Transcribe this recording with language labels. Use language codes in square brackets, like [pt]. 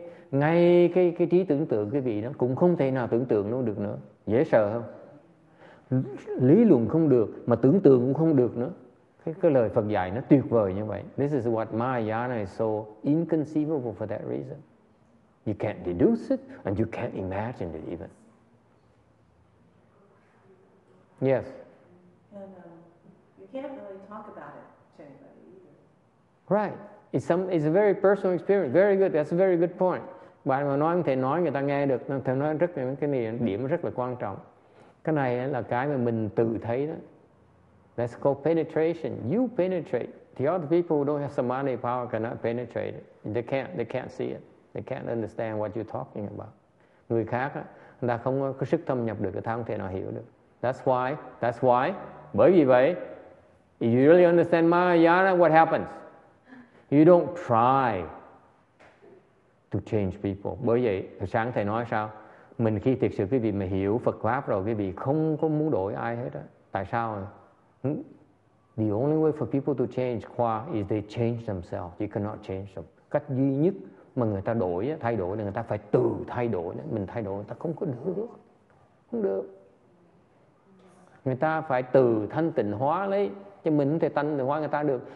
[vi] Ngay cái trí tưởng tượng quý vị nó cũng không thể nào tưởng tượng luôn được nữa. Dễ sợ không? Lý luận không được mà tưởng tượng cũng không được nữa. Cái lời Phật dạy nó tuyệt vời như vậy. [en] This is what Mahayana is so inconceivable for that reason. You can't deduce it and you can't imagine it even. Yes. And you can't really talk about it to anybody either. Right. It's a very personal experience. Very good. That's a very good point. [vi] Bạn mà nói không thể nói người ta nghe được. Thầy nói rất là cái này điểm rất là quan trọng. Cái này là cái mà mình tự thấy đó. [en] That's called penetration. You penetrate. The other people who don't have samadhi power cannot penetrate it. They can't see it. They can't understand what you're talking about. [vi] Người khác á, người ta không có sức thâm nhập được, người ta không thể nào hiểu được. [en] That's why. [vi] Bởi vì vậy, [en] if you really understand Mahayana, what happens? You don't try to change people. [vi] Bởi vậy, sáng thầy nói sao? Mình khi thực sự quý vị mà hiểu Phật pháp rồi, quý vị không có muốn đổi ai hết á. Tại sao? [en] The only way for people to change qua is they change themselves. You cannot change them. [vi] Cách duy nhất mà người ta đổi thay đổi thì người ta phải tự thay đổi, mình thay đổi người ta không có được, không được. Người ta phải tự thanh tịnh hóa lấy, chứ mình không thể thanh tịnh hóa người ta được.